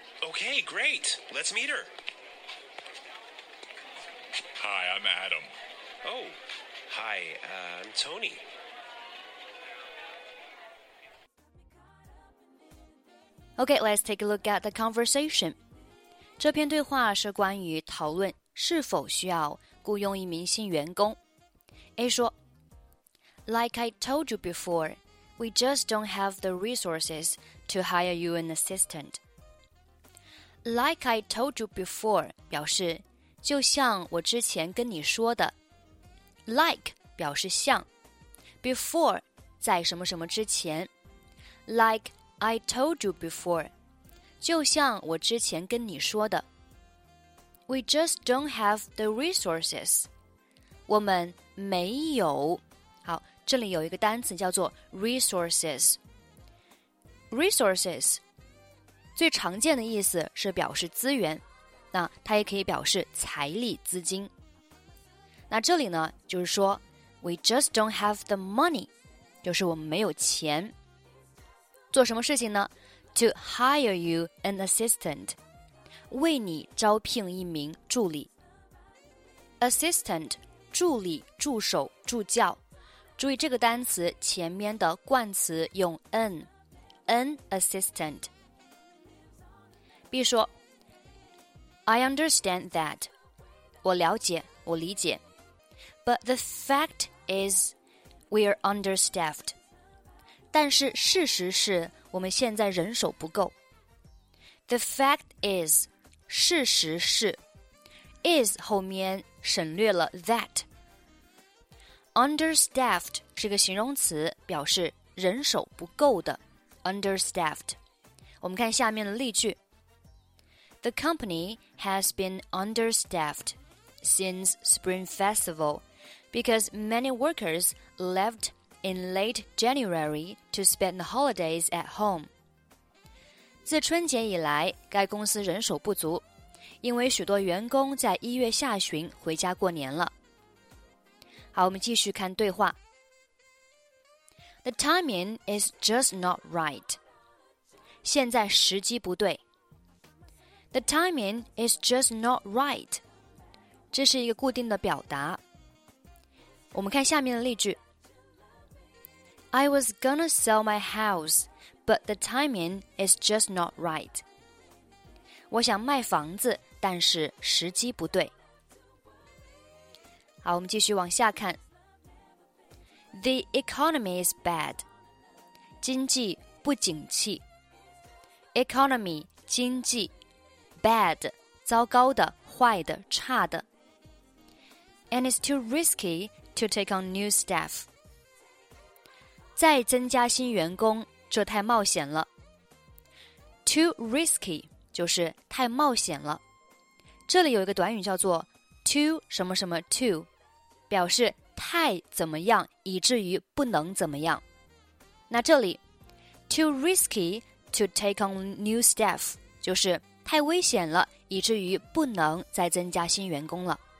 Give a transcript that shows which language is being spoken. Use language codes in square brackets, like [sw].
[en] Okay, great. Let's meet her. Hi, I'm Adam. Oh, hi, I'm Tony. Okay, let's take a look at the conversation. [zh] 这篇对话是关于讨论是否需要雇佣一名新员工。 A 说 [en] Like I told you before, we just don't have the resources to hire you an assistant. Like I told you before [zh] 表示就像我之前跟你说的。 Like 表示像。 Before 在什么什么之前。 [en] Like I told you before. [zh] 就像我之前跟你说的 [en] We just don't have the resources. [zh] 我们没有。好，这里有一个单词叫做 resources. [en] Resources [zh] 最常见的意思是表示资源，那它也可以表示财力资金。那这里呢，就是说 [en] We just don't have the money. [zh] 就是我们没有钱。做什么事情呢？ [en] To hire you an assistant, [zh] 为你招聘一名助理。 Assistant, 助理、助手、助教。注意这个单词前面的冠词用 an assistant. B 说 [en] I understand that. [zh] 我了解，我理解。 [en] But the fact is, we are understaffed. [zh] 但是事实是我们现在人手不够。 [en] The fact is, [zh] 事实是 is 后面省略了 that. [en] Understaffed [zh] 是个形容词，表示人手不够的。 [en] Understaffed. [zh] 我们看下面的例句。 [en] The company has been understaffed since Spring Festival because many workers left. In late January to spend the holidays at home. [zh] 自春节以来，该公司人手不足，因为许多员工在一月下旬回家过年了。好，我们继续看对话。 [en] The timing is just not right. [zh] 现在时机不对。 [en] The timing is just not right. [zh] 这是一个固定的表达。我们看下面的例句。 [en] I was gonna sell my house, but the timing is just not right. [zh] 我想卖房子，但是时机不对。好，我们继续往下看。 [en] The economy is bad. [zh] 经济不景气。 Economy, 经济。 Bad, 糟糕的、坏的、差的。 [en] And it's too risky to take on new staff. [zh] 再增加新员工，这太冒险了。 [en] Too risky, [zh] 就是太冒险了。这里有一个短语叫做 too 什么什么 too, 表示太怎么样以至于不能怎么样。那这里 [en] too risky to take on new staff, [zh] 就是太危险了以至于不能再增加新员工了。